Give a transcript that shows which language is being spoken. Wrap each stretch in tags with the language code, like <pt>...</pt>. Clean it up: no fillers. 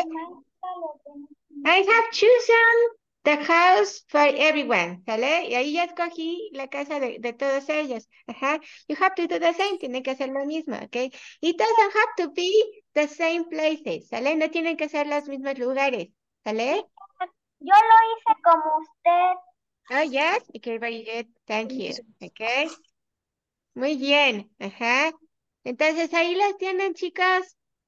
<en>I have chosen the house for everyone, ¿sale?</en> <es>Y ahí ya escogí la casa de todos ellos.</es> <en>Ajá. You have to do the same,</en> <es>tiene que hacer lo mismo,</es> <en>¿ok? It doesn't have to be the same places, ¿sale?</en> <es>No tienen que ser los mismos lugares, ¿sale? Yo lo</es> <en>Oh, yes, okay, very good, thank</en> <es>hice you, okay. Muy bien, ajá. Entonces ahí los tienen, chicos.</es>